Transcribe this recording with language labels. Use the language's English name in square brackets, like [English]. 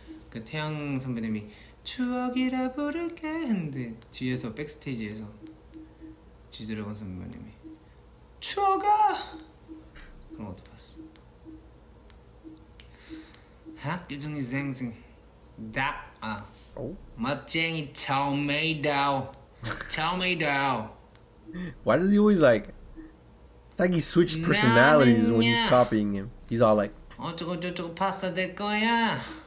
[Korean] 그 태양 선배님이 추억이라 부를게 했는데 뒤에서 백스테이지에서 지드래곤 선배님이 추억아! 그런 것도 봤어. 학교종이 생생 닭! 아 멋쟁이 토메이도 토메이도. [English] Why does he always like like he switched personalities when he's copying him? He's all like [Korean] 어쩌고저쩌고 파스타 될 거야.